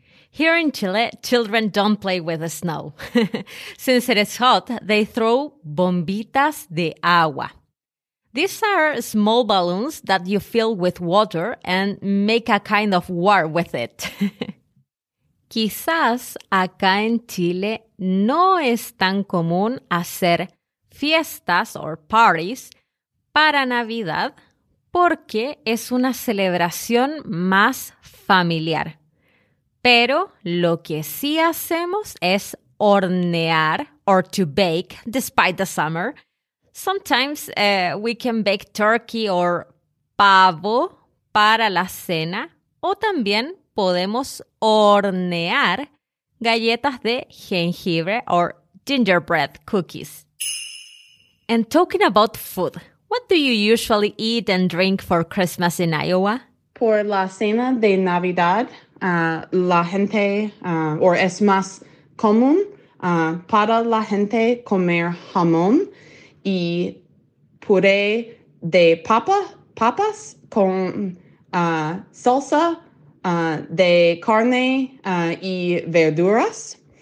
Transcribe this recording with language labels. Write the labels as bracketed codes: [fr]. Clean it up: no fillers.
[en] Here in Chile, children don't play with the snow. Since it is hot, they throw [es] bombitas de agua. [en] These are small balloons that you fill with water and make a kind of war with it. [es] Quizás acá en Chile no es tan común hacer fiestas or parties para Navidad porque es una celebración más familiar. Pero lo que sí hacemos es hornear or to bake despite the summer. [en] Sometimes we can bake turkey or [es] pavo para la cena o también podemos hornear galletas de jengibre [en] or gingerbread cookies. And talking about food, what do you usually eat and drink for Christmas in Iowa? [es] Por la cena de Navidad, la gente, or es más común para la gente comer jamón y puré de papas con salsa de carne y verduras.